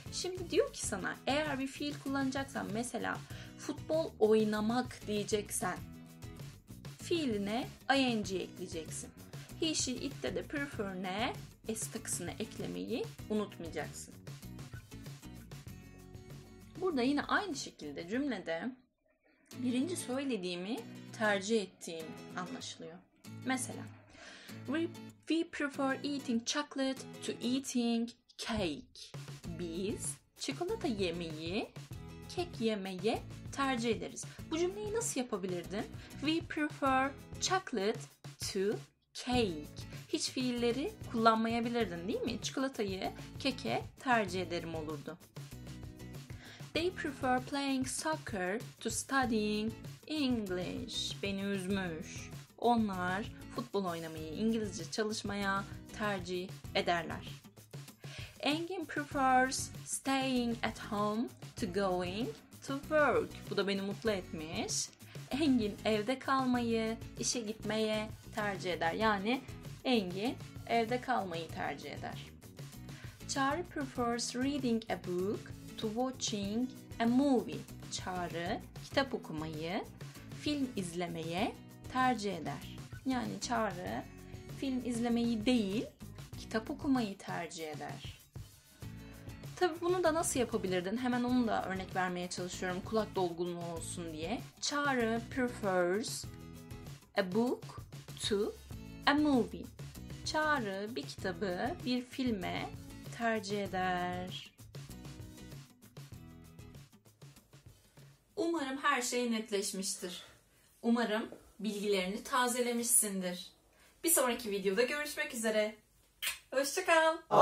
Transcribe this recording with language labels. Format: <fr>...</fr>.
<tr>Şimdi diyor ki sana, eğer bir fiil kullanacaksan, mesela futbol oynamak diyeceksen, fiiline ing ekleyeceksin. He, she, it'te de prefer'ne s takısını eklemeyi unutmayacaksın. Burada yine aynı şekilde cümlede birinci söylediğimi tercih ettiğim anlaşılıyor.</tr> <en>Mesela, we prefer eating chocolate to eating cake.</en> <tr>Biz çikolata yemeyi kek yemeye tercih ederiz. Bu cümleyi nasıl yapabilirdin?</tr> <en>We prefer chocolate to cake.</en> <tr>Hiç fiilleri kullanmayabilirdin, değil mi? Çikolatayı keke tercih ederim olurdu.</tr> <en>They prefer playing soccer to studying English.</en> <tr>Beni üzmüş. Onlar futbol oynamayı, İngilizce çalışmaya tercih ederler.</tr> <en>Engin prefers staying at home to going to work.</en> <tr>Bu da beni mutlu etmiş. Engin evde kalmayı, işe gitmeye tercih eder. Yani Engin evde kalmayı tercih eder.</tr> <en>Çağrı prefers reading a book to watching a movie.</en> <tr>Çağrı kitap okumayı, film izlemeye tercih eder. Yani Çağrı film izlemeyi değil, kitap okumayı tercih eder. Tabii bunu da nasıl yapabilirdin? Hemen onu da örnek vermeye çalışıyorum, kulak dolgunluğu olsun diye.</tr> <en>Çağrı prefers a book to a movie.</en> <tr>Çağrı bir kitabı bir filme tercih eder. Umarım her şey netleşmiştir. Umarım bilgilerini tazelemişsindir. Bir sonraki videoda görüşmek üzere. Hoşça kal.</tr>